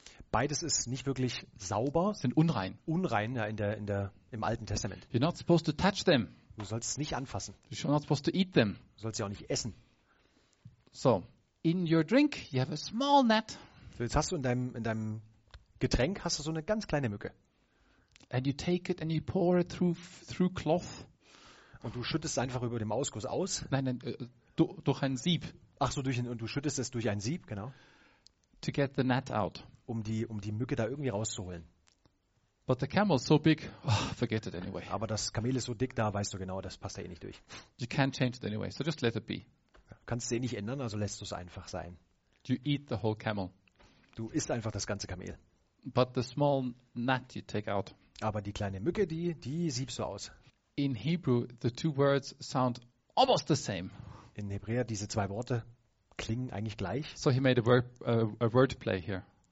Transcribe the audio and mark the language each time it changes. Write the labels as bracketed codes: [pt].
[de] Beides ist nicht wirklich sauber. Sind unrein. Unrein, ja, im Alten Testament. [en] You're not supposed to touch them. [de] Du sollst es nicht anfassen. [en] You're not supposed to eat them. [de] Du sollst sie auch nicht essen. [en] So, in your drink you have a small gnat. [de] Jetzt hast du in deinem Getränk hast du so eine ganz kleine Mücke. [en] And you take it and you pour it through cloth. [de] Und du schüttest es einfach über dem Ausguss aus. Nein, durch ein Sieb. Ach so, und du schüttest es durch ein Sieb, genau. [en] To get the gnat out. [de] Um die Mücke da irgendwie rauszuholen. [en] But the camel is so big, oh, forget it anyway. [de] Aber das Kamel ist so dick, da weißt du genau, das passt da eh nicht durch. [en] You can't change it anyway, so just let it be. [de] Du kannst es eh nicht ändern, also lässt du es einfach sein. [en] You eat the whole camel. [de] Du isst einfach das ganze Kamel. [en] But the small gnat you take out. [de] Aber die kleine Mücke, die siebst du aus. [en] In Hebrew, the two words sound almost the same. [de] In Hebräer, diese zwei Worte klingen eigentlich gleich. [en] So he made a wordplay here.